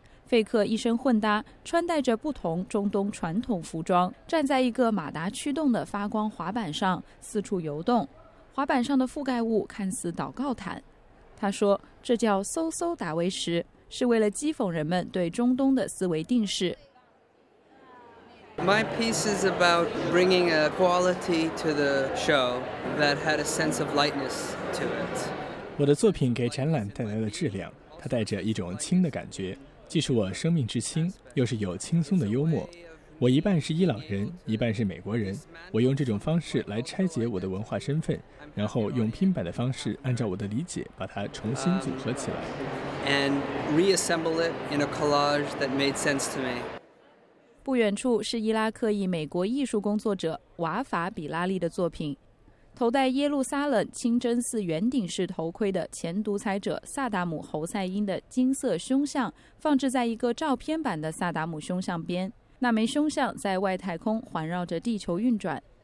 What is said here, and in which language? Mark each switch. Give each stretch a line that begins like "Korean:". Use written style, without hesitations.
Chinese: 费克一身混搭，穿戴着不同中东传统服装，站在一个马达驱动的发光滑板上四处游动，滑板上的覆盖物看似祷告毯。他说这叫搜搜达维什，是为了讥讽人们对中东的思维定式。
English: My piece is about bringing a quality to the show that had a sense of lightness to it.
Chinese: 我的作品给展览带来了质量，它带着一种轻的感觉，既是我生命之轻，又是有轻松的幽默。我一半是伊朗人，一半是美国人，我用这种方式来拆解我的文化身份，然后用拼板的方式按照我的理解把它重新组合起来。
English: And reassemble it in a collage that made sense to me.
Chinese: 不远处是伊拉克裔美国艺术工作者瓦法·比拉利的作品，头戴耶路撒冷清真寺圆顶式头盔的前独裁者萨达姆·侯赛因的金色胸像放置在一个照片版的萨达姆胸像边，那枚胸像在外太空环绕着地球运转。